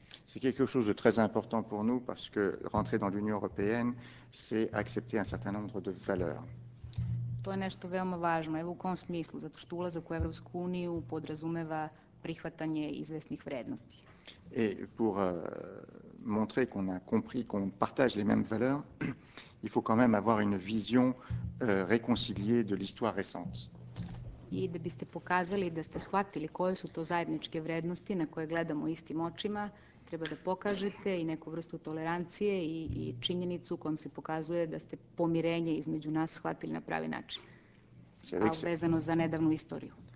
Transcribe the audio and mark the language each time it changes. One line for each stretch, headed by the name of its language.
French: C'est quelque chose de très important pour nous parce que rentrer dans l'Union européenne, c'est accepter un certain nombre de valeurs.
Serbian: To je nešto veoma važno. Evo u kom smislu, zato što ulazak u Evropsku uniju podrazumeva prihvatanje izvesnih vrednosti.
French: Et pour montrer qu'on a compris, qu'on partage les mêmes valeurs, il faut quand même avoir une vision réconciliée de l'histoire récente.
Serbian: I da biste pokazali da ste shvatili koje su to zajedničke vrednosti na koje gledamo istim očima, treba da pokažete i neku vrstu tolerancije i činjenicu kojom se pokazuje da ste pomirenje između nas shvatili na pravi način, vezano za nedavnu istoriju.